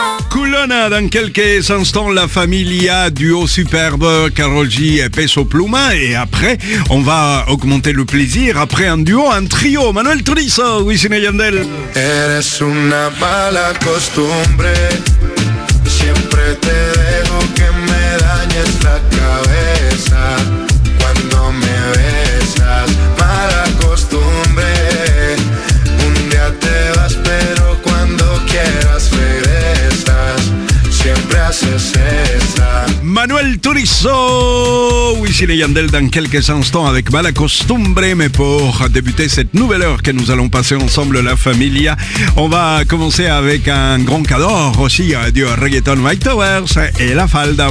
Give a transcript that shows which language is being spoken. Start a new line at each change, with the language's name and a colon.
French: Culona, dans quelques instants,
Spanish: la familia,
French: duo superbe, Karol G et Peso Pluma, et après, on va augmenter le plaisir, après un duo, un trio, Manuel Turizo, Wisin y Yandel.
Spanish: Eres una mala costumbre, siempre te dejo que me dañes la cabeza, cuando me besas, mala costumbre, un día te vas, pero cuando quieras regresas, siempre haces esa.
French: Manuel Turizo, Wisin y Yandel dans quelques instants avec Mala Costumbre. Mais pour débuter cette nouvelle heure que nous allons passer ensemble,
Spanish: la familia,
French: on va commencer avec un grand cador aussi du reggaeton, Mike Towers et La Falda.